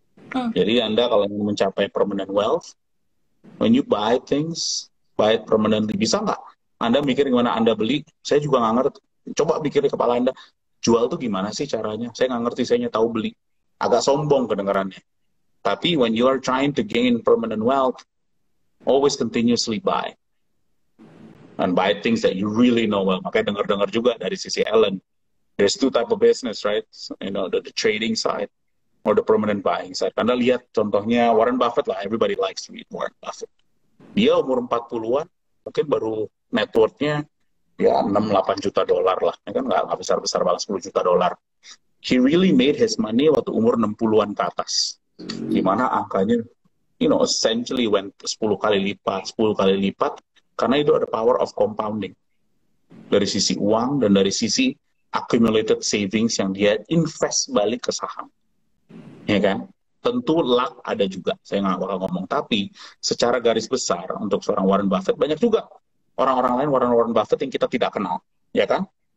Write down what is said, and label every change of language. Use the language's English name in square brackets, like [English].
[Indonesian] Jadi Anda kalau ingin mencapai [English] permanent wealth, when you buy things, buy it permanently, [Indonesian] bisa nggak? Anda mikir gimana Anda beli, saya juga nggak ngerti. Coba pikir di kepala Anda, jual tuh gimana sih caranya? Saya nggak ngerti, saya nyetau beli. Agak sombong kedengarannya. [English] Tapi when you are trying to gain permanent wealth, always continuously buy. And buy things that you really know well. [Indonesian] Makanya dengar-dengar juga dari sisi Ellen. [English] There's two type of business, right? You know, the trading side or the permanent buying side. [Indonesian] Anda lihat contohnya Warren Buffett lah. [English] Everybody likes to read Warren Buffett. [Indonesian] Dia umur 40-an, mungkin baru net worth-nya ya 6-8 juta dolar lah. Ya kan nggak besar-besar banget, 10 juta dolar. [English] He really made his money [Indonesian] waktu umur 60-an ke atas. Dimana angkanya, [English] you know, essentially went [Indonesian] 10 kali lipat, karena itu ada [English] power of compounding. [Indonesian] Dari sisi uang dan dari sisi accumulated savings yang dia invest balik ke saham. Ya kan? Tentu luck ada juga, saya nggak bakal ngomong. Tapi secara garis besar untuk seorang Warren Buffett, banyak juga orang-orang lain Warren Buffett yang kita tidak kenal. Ya kan?